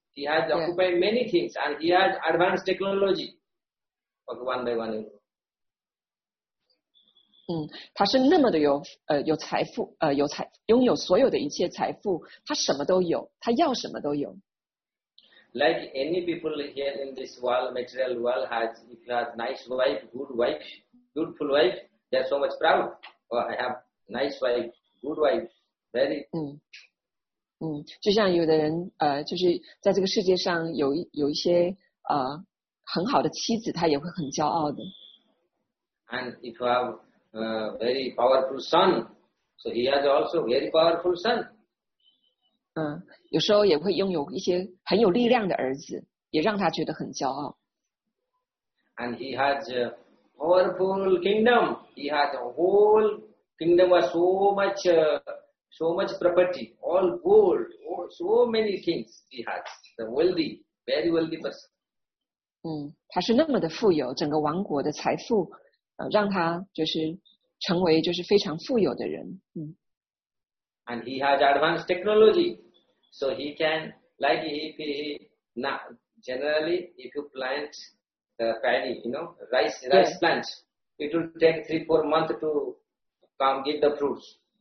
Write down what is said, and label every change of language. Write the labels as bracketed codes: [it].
[en] He has occupied many things and he has advanced technology. But one by one. [zh] 他是那么的有财富有财拥有所有的一切财富，他什么都有，他要什么都有。 [en] Like any people here in this world, material world has, if you have nice wife, good wife, beautiful wife, they are so much proud. Oh, I have nice wife, good wife, very. [zh] 就像有的人就是在这个世界上有一些很好的妻子，他也会很骄傲的。 [en] And if you have,very powerful son. So he has also very powerful son. [zh] 有时候也会拥有一些很有力量的儿子，也让他觉得很骄傲。 [en] And he has a powerful kingdom. He has a whole kingdom of so much property, all gold, so many things he has, the wealthy, very wealthy person. [zh] 嗯，他是那么的富有，整个王国的财富，让他就是成为就是非常富有的人。嗯。 [en] And he has advanced technology, so he can like if he now generally if you plant the paddy, you know, rice plant, it will take 3-4 months to come get the fruits.